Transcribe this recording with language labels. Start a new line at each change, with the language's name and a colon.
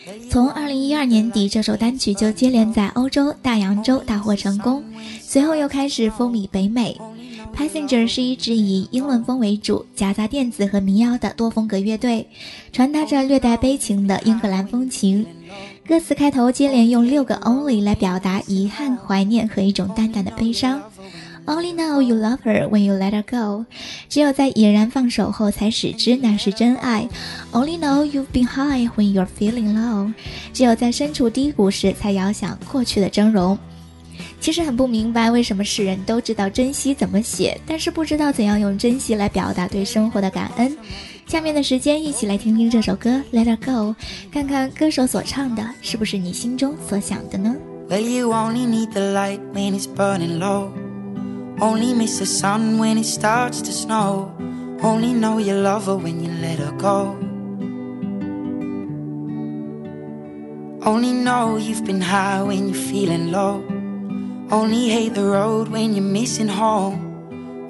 Chinese: 从2012年底，这首单曲就接连在欧洲大洋洲大获成功，随后又开始风靡北美。 Passenger 是一支以英伦风为主，夹杂电子和民谣的多风格乐队，传达着略带悲情的英格兰风情。歌词开头接连用6个 only 来表达遗憾、怀念和一种淡淡的悲伤。
English: Only know you love her when you let her go，
Chinese: 只有在已然放手后才始知那是真爱。
English: Only know you've been high when you're feeling low，
Chinese: 只有在身处低谷时才遥想过去的峥嵘。其实很不明白为什么世人都知道珍惜怎么写，但是不知道怎样用珍惜来表达对生活的感恩。下面的时间一起来听听这首歌 Let her go， 看看歌手所唱的是不是你心中所想的呢？
English: Well you only need the light when it's burning lowOnly miss the sun when it starts to snow. Only know you love her when you let her go. Only know you've been high when you're feeling low. Only hate the road when you're missing home.